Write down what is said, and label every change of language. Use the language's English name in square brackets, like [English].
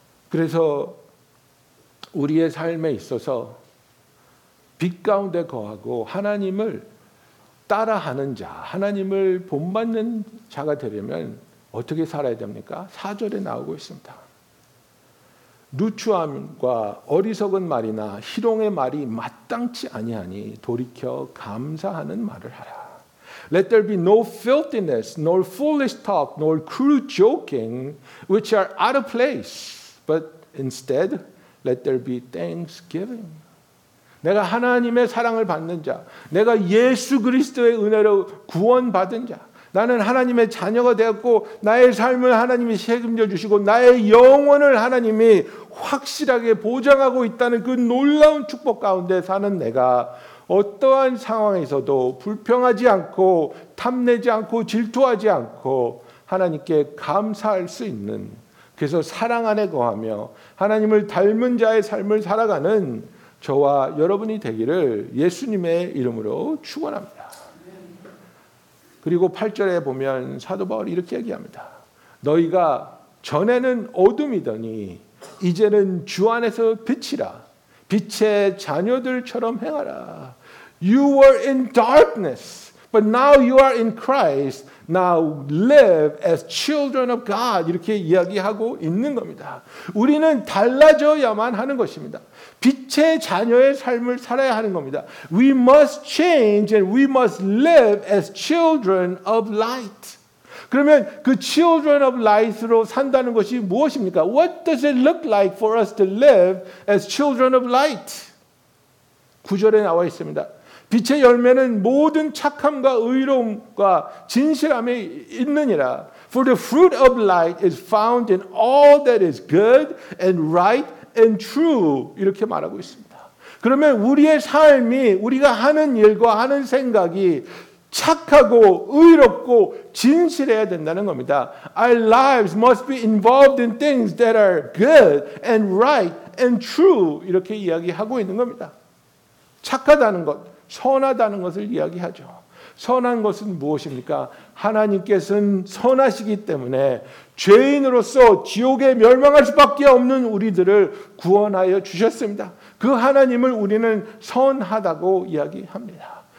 [Korean] 그래서 우리의 삶에 있어서 빛 가운데 거하고 하나님을 따라하는 자, 하나님을 본받는 자가 되려면 어떻게 살아야 됩니까? 4절에 나오고 있습니다. 누추함과 어리석은 말이나 희롱의 말이 마땅치 아니하니 돌이켜 감사하는 말을 하라. [English] Let there be no filthiness, nor foolish talk, nor crude joking, which are out of place, but instead, Let there be thanksgiving. [Korean] 내가 하나님의 사랑을 받는 자, 내가 예수 그리스도의 은혜로 구원받은 자, 나는 하나님의 자녀가 되었고 나의 삶을 하나님이 책임져 주시고 나의 영혼을 하나님이 확실하게 보장하고 있다는 그 놀라운 축복 가운데 사는 내가 어떠한 상황에서도 불평하지 않고 탐내지 않고 질투하지 않고 하나님께 감사할 수 있는 그래서 사랑 안에 거하며 하나님을 닮은 자의 삶을 살아가는 저와 여러분이 되기를 예수님의 이름으로 축원합니다. 그리고 8절에 보면 사도 바울이 이렇게 얘기합니다. 너희가 전에는 어둠이더니 이제는 주 안에서 빛이라 빛의 자녀들처럼 행하라. [English] You were in darkness, but now you are in Christ. Now live as children of God. [Korean] 이렇게 이야기하고 있는 겁니다. 우리는 달라져야만 하는 것입니다. 빛의 자녀의 삶을 살아야 하는 겁니다. [English] We must change and we must live as children of light. [Korean] 그러면 그 [English] children of light [Korean] 으로 산다는 것이 무엇입니까? [English] What does it look like for us to live as children of light? [Korean] 9절에 나와 있습니다. 빛의 열매는 모든 착함과 의로움과 진실함이 있느니라. [English] For the fruit of light is found in all that is good and right and true. [Korean] 이렇게 말하고 있습니다. 그러면 우리의 삶이 우리가 하는 일과 하는 생각이 착하고 의롭고 진실해야 된다는 겁니다. [English] Our lives must be involved in things that are good and right and true. [Korean] 이렇게 이야기하고 있는 겁니다. 착하다는 것. 선하다는 것을 이야기하죠. 선한 것은 무엇입니까? 하나님께서는 선하시기 때문에 죄인으로서 지옥에 멸망할 수밖에 없는 우리들을 구원하여 주셨습니다. 그 하나님을 우리는 선하다고 이야기합니다.